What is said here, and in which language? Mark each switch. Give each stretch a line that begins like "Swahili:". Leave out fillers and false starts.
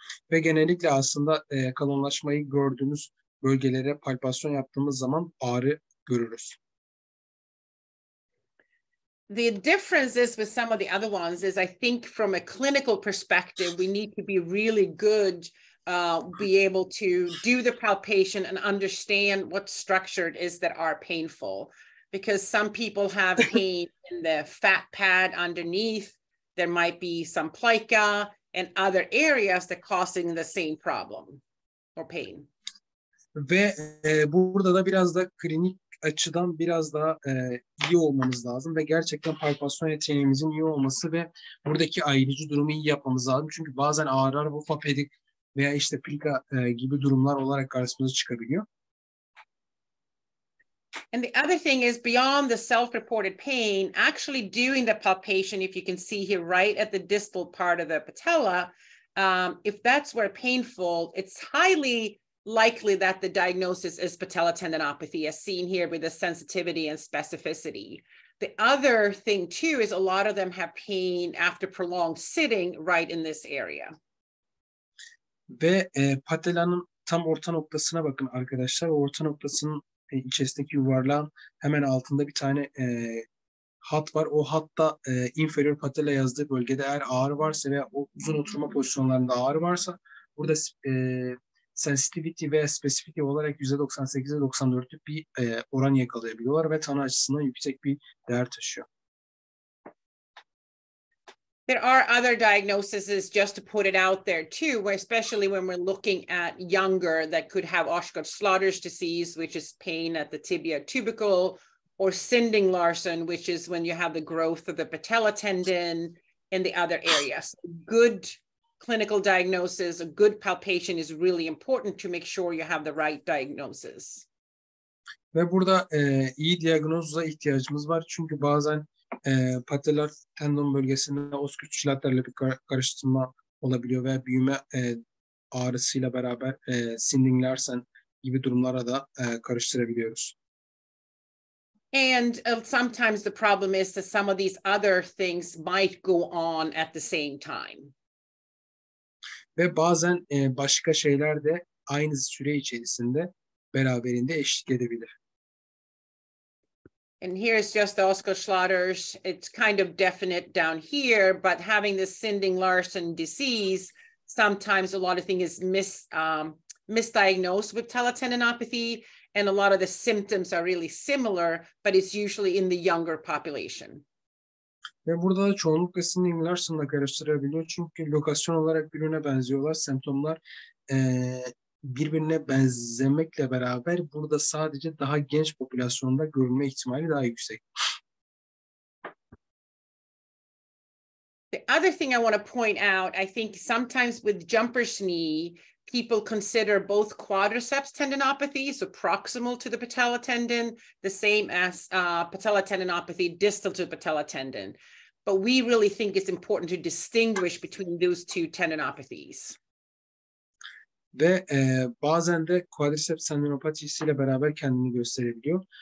Turkish: Ve genellikle aslında kalınlaşmayı gördüğümüz bölgelere palpasyon yaptığımız zaman ağrı görürüz.
English: The difference is with some of the other ones is I think from a clinical perspective, we need to be really good, be able to do the palpation and understand what structure it is that are painful. Because some people have pain in the fat pad underneath, there might be some plica and other areas that are causing the same problem or pain.
Turkish: Ve burada da biraz da klinik açıdan biraz daha iyi olmamız lazım ve gerçekten palpasyon yeteneğimizin iyi olması ve buradaki ayrıcı durumu iyi yapmamız lazım. Çünkü bazen ağrılar bu fapedik veya işte plica gibi durumlar olarak karşımıza çıkabiliyor.
English: And the other thing is beyond the self-reported pain, actually doing the palpation, if you can see here right at the distal part of the patella, if that's where painful, it's highly likely that the diagnosis is patellar tendinopathy as seen here with the sensitivity and specificity. The other thing too is a lot of them have pain after prolonged sitting right in this area.
Turkish: Ve patellanın tam orta noktasına bakın arkadaşlar. Orta noktasının içerisindeki yuvarlağın hemen altında bir tane hat var. O hatta inferior patella yazdığı bölgede eğer ağrı varsa veya o uzun oturma pozisyonlarında ağrı varsa burada sensitivity veya specificity olarak %98-94'lük bir oran yakalayabiliyorlar ve tanı açısından yüksek bir değer taşıyor.
English: There are other diagnoses, just to put it out there too, where especially when we're looking at younger, that could have Oshkosh-Schlatter's disease, which is pain at the tibia tubercle, or Sinding-Larsen, which is when you have the growth of the patella tendon in the other areas. Good clinical diagnosis, a good palpation is really important to make sure you have the right diagnosis.
Turkish: Ve burada iyi diagnoza ihtiyacımız var çünkü bazen patellar tendon bölgesinde Oskut-Schlatter'le bir karıştırma olabiliyor ve büyüme ağrısıyla beraber Sinding-Larsen gibi durumlara da karıştırabiliyoruz.
English: And sometimes the problem is that some of these other things might go on at the same time.
Turkish: Ve bazen başka şeyler de aynı süre içerisinde beraberinde eşlik edebilir.
English: And here is just the Oscar Schlatter's. It's kind of definite down here, but having this Sinding-Larsen disease, sometimes a lot of things is misdiagnosed with teletendinopathy, and a lot of the symptoms are really similar, but it's usually in the younger population.
Turkish: Ve burada da çoğunlukla Sinding-Larsen'la karıştırabiliyor çünkü lokasyon olarak birbirine benziyorlar. Semptomlar birbirine benzemekle beraber burada sadece daha genç popülasyonda görülme ihtimali daha yüksek.
English: The other thing I want to point out, I think sometimes with jumper's knee, people consider both quadriceps tendinopathy, so proximal to the patella tendon, the same as patella tendinopathy distal to the patella tendon. But we really think it's important to distinguish between those two tendinopathies.
Turkish: Ve bazen de quadriceps tendinopatisiyle beraber kendini gösterebiliyor.